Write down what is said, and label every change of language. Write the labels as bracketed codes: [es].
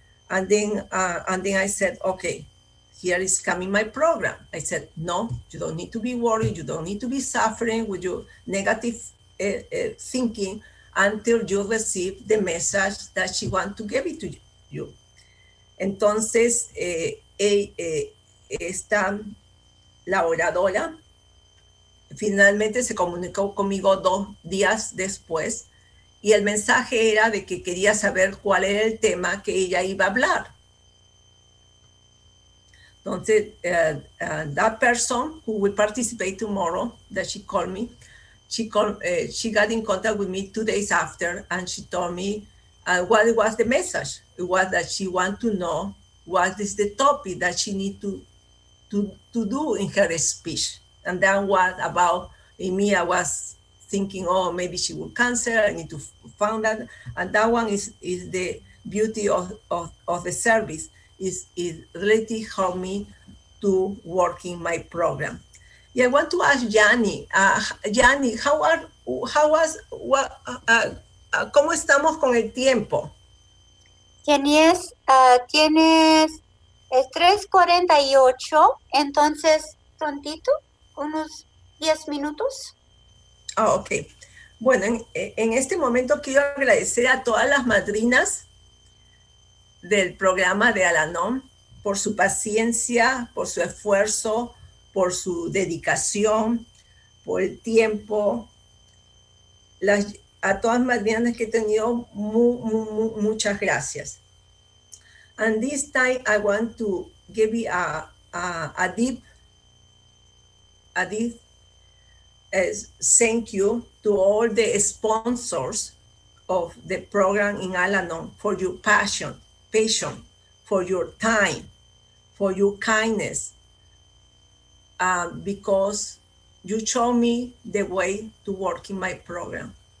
[en] And then I said, okay, here is coming my program. I said, no, you don't need to be worried. You don't need to be suffering with your negative thinking until you receive the message that she wants to give it to you. [es] Entonces, esta la oradora finalmente se comunicó conmigo 2 días después. Y el mensaje era de que quería saber cuál era el tema que ella iba a hablar. [en] Entonces, that person who will participate tomorrow, that she called me, she got in contact with me 2 days after, and she told me what was the message. It was that she wanted to know what is the topic that she need to do in her speech. And then what about Emilia was thinking, oh, maybe she will cancel, I need to find that. And that one is the beauty of the service, is it really helped me to work in my program. Yeah, I want to ask Yanni, [es] ¿cómo estamos con el tiempo? Tienes el 3:48, entonces prontito, unos 10 minutos. [en] Oh, ok. [es] Bueno, en este momento quiero agradecer a todas las madrinas del programa de Al-Anon por su paciencia, por su esfuerzo, por su dedicación, por el tiempo. A todas las madrinas que he tenido, muchas gracias. [en] And this time I want to give you a deep thank you to all the sponsors of the program in Al-Anon for your passion, for your time, for your kindness, because you showed me the way to work in my program.